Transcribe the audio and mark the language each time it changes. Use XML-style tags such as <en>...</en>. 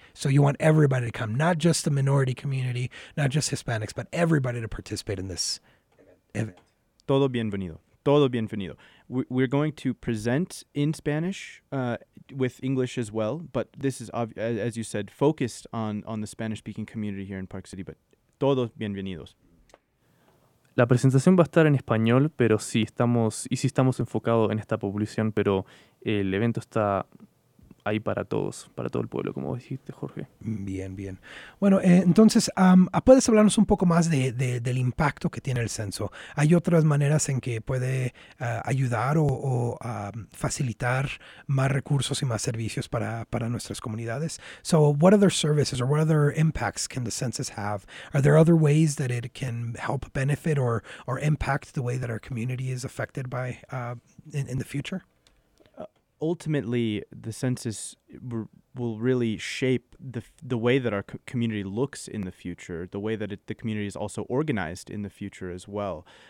<en>So you want everybody to come, not just the minority community, not just Hispanics, but everybody to participate in this event.</en> <es>Todo bienvenido. Todo bienvenido.</es> <en>We're going to present in Spanish with English as well, but this is, as you said, focused on the Spanish-speaking community here in Park City, but</en> <es>todos bienvenidos. La presentación va a estar en español, pero sí estamos, y sí estamos enfocados en esta población, pero el evento está ahí para todos, para todo el pueblo, como dijiste, Jorge. Bien, bien. Bueno, entonces, ¿puedes hablarnos un poco más del impacto que tiene el censo? ¿Hay otras maneras en que puede ayudar o facilitar más recursos y más servicios para nuestras comunidades?</es> <en>So, what other services or what other impacts can the census have? Are there other ways that it can help benefit or impact the way that our community is affected by in the future? Ultimately, the census will really shape the way that our community looks in the future, the way that the community is also organized in the future as well.</en>